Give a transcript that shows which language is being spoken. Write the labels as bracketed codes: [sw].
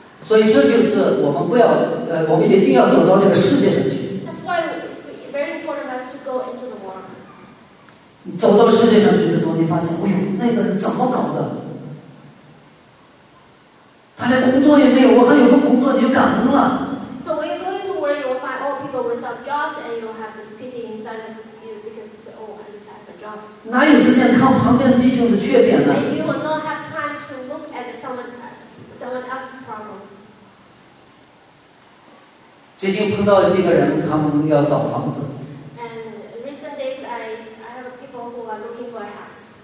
[zh] 所以这就是我们不要我们一定要走到这个世界上去。 [en] That's why it's very important for us to go into the world. [zh] 你走到世界上去的时候，你发现，哎呦，那个人怎么搞的？他连工作也没有，我看有份工作你就感恩了。 [en] So when you go into the world, you will find all people without jobs, and you will have this pity inside of you because you say, oh, I just have a job. [zh] 哪有时间看旁边弟兄的缺点呢？ [en] And you will not have time to look at someone else's problem. [zh] 最近碰到几个人，他们要找房子。 [en] And recent days, I have people who are looking for a house.